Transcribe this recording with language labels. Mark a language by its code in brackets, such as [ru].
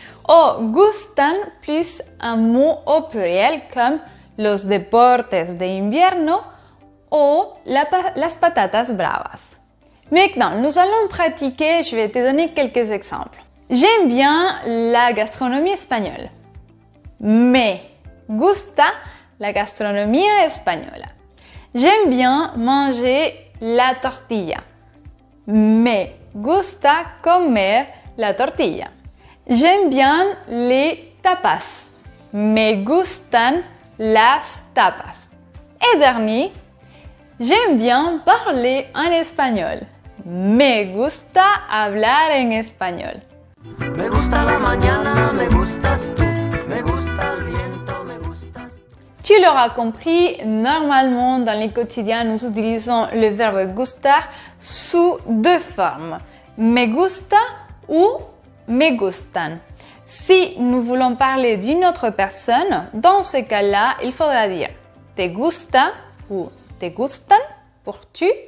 [fr] Ou gustan plus un mot au pluriel comme [es] los deportes de invierno [fr] ou [es] las patatas bravas. [fr] Maintenant, nous allons pratiquer, je vais te donner quelques exemples. J'aime bien la gastronomie espagnole. [es] Me gusta la gastronomía española. [fr] J'aime bien manger la tortilla. [es] Me gusta comer la tortilla. [fr] J'aime bien les tapas. [es] Me gustan las tapas. [fr] Et dernier, j'aime bien parler en espagnol. [es] Me gusta hablar en español. Me gusta la mañana, me gustas tú, me gusta el viento, me gustas tú. [fr] Tu l'auras compris, normalement dans le quotidien, nous utilisons le verbe gustar sous deux formes, me gusta ou me gustan. Si nous voulons parler d'une autre personne, dans ce cas-là, il faudra dire te gusta ou te gustan pour tu.